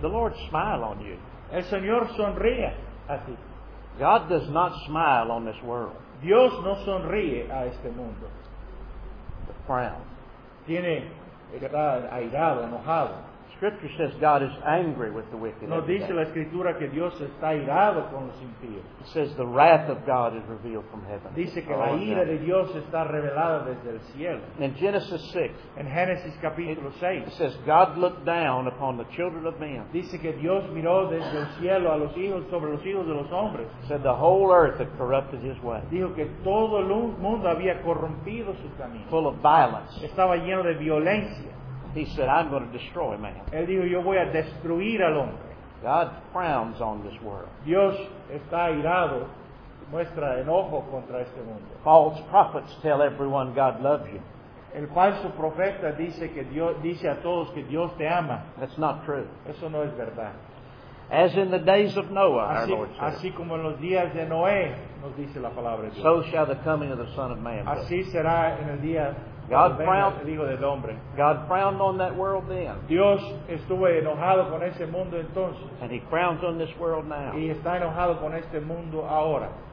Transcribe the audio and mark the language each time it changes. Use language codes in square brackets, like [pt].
[en] The Lord smile on you. [es] El Señor sonría a ti. [en] God does not smile on this world. [es] Dios no sonríe a este mundo. [en] The frown. [es] Tiene, está airado, enojado. [en] Scripture says God is angry with the wicked. [es] No dice la escritura que Dios está airado con los impíos. [en] It says the wrath of God is revealed from heaven. [es] Dice que la ira de Dios está revelada desde el cielo. [en] In Genesis 6. [es] En Génesis capítulo 6. [en] It says God looked down upon the children of men. [es] Dice que Dios miró desde el cielo a los hijos sobre los hijos de los hombres. [en] Said the whole earth had corrupted his way. [es] Dijo que todo el mundo había corrompido su camino. [en] Full of violence. [es] Estaba lleno de violencia. [en] He said, I'm going to destroy man. [es] Él dijo, yo voy a destruir al hombre. [en] God frowns on this world. [es] Dios está airado, muestra enojo contra este mundo. [en] False prophets tell everyone God loves you. [es] El falso profeta dice que Dios, dice a todos que Dios te ama. [en] That's not true. [es] Eso no es verdad. [en] As in the days of Noah, our Lord said. [es] Así como en los días de Noé, nos dice la palabra de Dios. [en] So shall the coming of the Son of Man be. [es] Así será en el día. [en] God frowned on that world then. [es] Dios estuvo enojado con ese mundo entonces. [en] And he frowns on this world now. [es] Y está enojado con este mundo ahora.